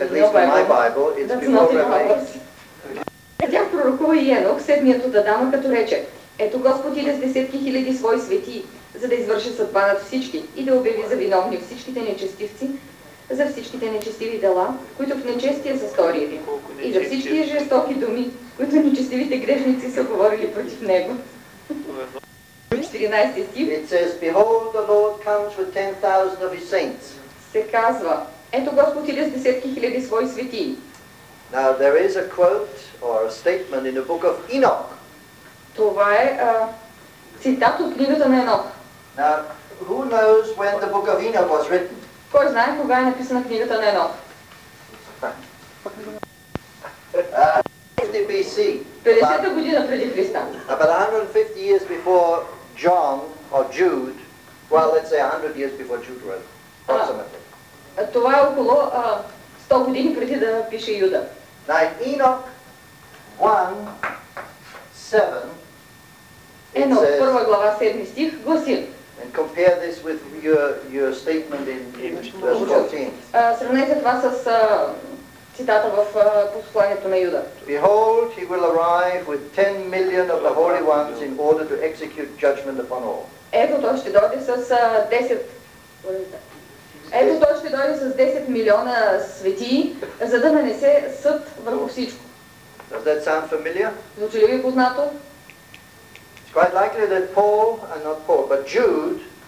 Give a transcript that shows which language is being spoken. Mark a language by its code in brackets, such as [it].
[en] At least in my Bible, it's before Revelation. [bg] Тях пророкува и Енок, седмият от Адама, като рече: Ето Господ иде с десетки хиляди свои свети, за да извърши съдба над всички и да обяви за виновни всичките нечестивци, за всичките нечестиви дела, които в нечестие са сторили, и за всички жестоки думи, които нечестивите грешници са говорили против Него. 14 стих. [en] It says, Behold, the Lord comes with 10,000 of His saints. [bg] Се казва: Ето Господ иде с десетки хиляди свои свети. [en] Now there is a quote or a statement in the book of Enoch. [bg] Това е цитат от книгата на Енок. [en] Now, who knows when the book of Enoch was written? [bg] Кой знае кога е написана книгата на Енок? [en] 50 BC. [bg] 50-та година преди Христа. [en] About 150 years before John or Jude, well let's say 100 years before Jude wrote, approximately. [bg] Това е около 100 години преди да пише Юда. [en] Now Enoch 1:7. [bg] Енок, първа глава, 7 стих, гласи. [en] And compare this with your statement in verse 14. [bg] Сравнете това с цитата в посланието на Юда. [en] Behold, he will arrive with 10 million of the holy ones in order to execute judgment upon all. [bg] Ето той ще дойде с 10. Ето той ще дойде с 10 милиона светии, за да нанесе съд върху всичко. [en] Does that sound familiar? [bg] Звучи ли ви познато? [en] It's quite likely that Paul, not Paul, but Jude,